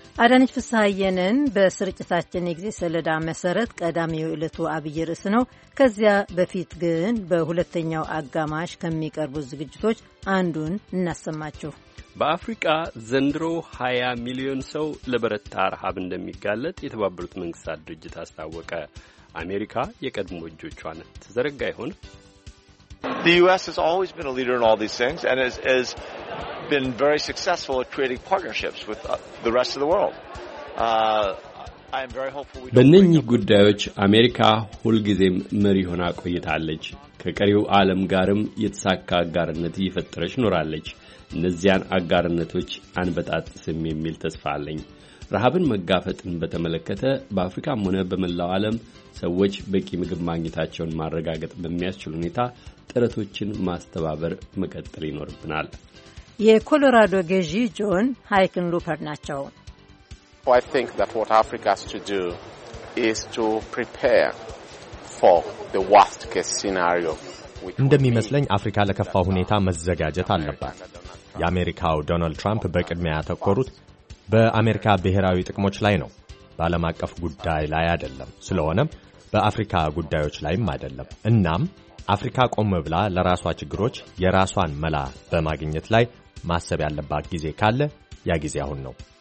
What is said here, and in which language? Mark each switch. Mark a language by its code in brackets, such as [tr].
[am] አዳነች ፍስሐየንን። በስርጭታችን የጊዜ ሰሌዳ መሰረት ቀዳሚው የዕለቱ አብይ ርዕስ ነው። ከዚያ በፊት ግን በሁለተኛው አጋማሽ ከሚቀርቡ ዝግጅቶች አንዱን እናሰማችሁ። በአፍሪቃ ዘንድሮ 20 ሚሊዮን ሰው ለበረታ ረሃብ እንደሚጋለጥ የተባበሩት መንግስታት ድርጅት አስታወቀ። አሜሪካ የቀድሞ እጆቿን ትዘረጋ ይሆን? [en] The US has always been a leader in all these things and has been very successful at creating partnerships with the rest of the world. [am] በእነኚህ ጉዳዮች አሜሪካ ሁልጊዜም መሪ ሆና ቆይታለች። ከቀሪው ዓለም ጋርም የተሳካ አጋርነት እየፈጠረች ኖራለች። እነዚያን አጋርነቶች አንበጣጥስም የሚል ተስፋ አለኝ። ረሃብን መጋፈጥን በተመለከተ በአፍሪካም ሆነ በመላው ዓለም ሰዎች በቂ ምግብ ማግኘታቸውን ማረጋገጥ በሚያስችል ሁኔታ ጥረቶችን ማስተባበር መቀጠል ይኖርብናል። የኮሎራዶ ገዢ ጆን ሃይክን ሉፐር ናቸው። [en] I think that what Africa has to do is to prepare for the worst case scenario. [am] እንደሚመስለኝ አፍሪካ ለከፋው ሁኔታ መዘጋጀት አለባት። የአሜሪካው ዶናልድ ትራምፕ በቅድሚያ ያተኮሩት በአሜሪካ ብሔራዊ ጥቅሞች ላይ ነው፣ በዓለም አቀፍ ጉዳይ ላይ አይደለም። ስለሆነም በአፍሪካ ጉዳዮች ላይም አይደለም። እናም አፍሪካ ቆም ብላ ለራሷ ችግሮች የራሷን መላ በማግኘት ላይ ማሰብ ያለባት ጊዜ ካለ ያ ጊዜ አሁን ነው።